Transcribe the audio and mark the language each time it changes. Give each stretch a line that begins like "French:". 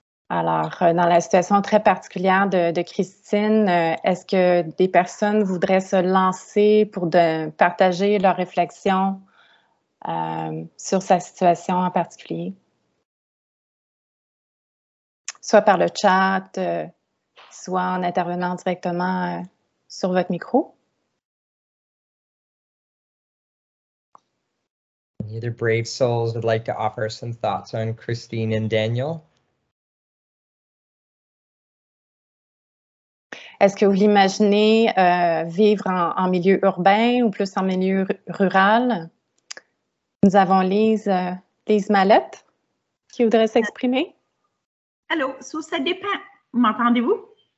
French: Alors, dans la situation très particulière de Christine, est-ce que des personnes voudraient se lancer pour de, partager leurs réflexions sur sa situation en particulier? Soit par le chat, soit en intervenant directement sur votre micro.
English: Any other brave souls would like to offer some thoughts on Christine and Daniel?
French: Est-ce que vous l'imaginez vivre en, en milieu urbain ou plus en milieu rural? Nous avons Lise Mallette qui voudrait s'exprimer. Allô, so, ça dépend. M'entendez-vous?